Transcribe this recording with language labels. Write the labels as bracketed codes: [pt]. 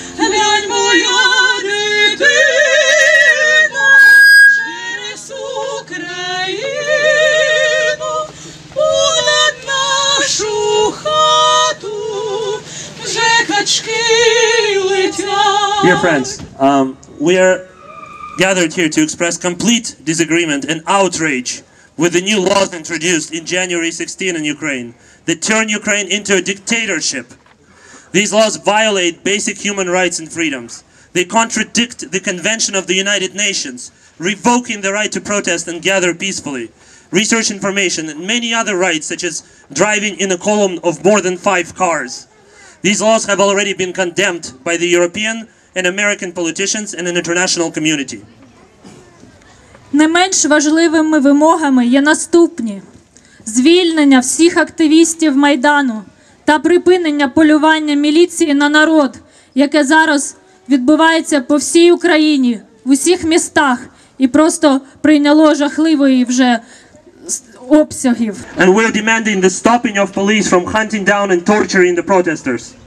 [uk] Глянь, моя дитина, через Україну, понад нашу хату вже качки летять. [en] Dear friends, we are gathered here to express complete disagreement and outrage with the new laws introduced in January 16 in Ukraine that turn Ukraine into a dictatorship. These laws violate basic human rights and freedoms. They contradict the Convention of the United Nations, revoking the right to protest and gather peacefully, research information, and many other rights, such as driving in a column of more than five cars. These laws have already been condemned by the European and American politicians and an international community. [uk] Не менш важливими вимогами є наступні: звільнення всіх активістів Майдану та припинення полювання міліції на народ, яке зараз відбувається по всій Україні, в усіх містах, і просто прийняло жахливої вже обсягів. [en] And we're demanding the stopping of police from hunting down and torturing the protesters.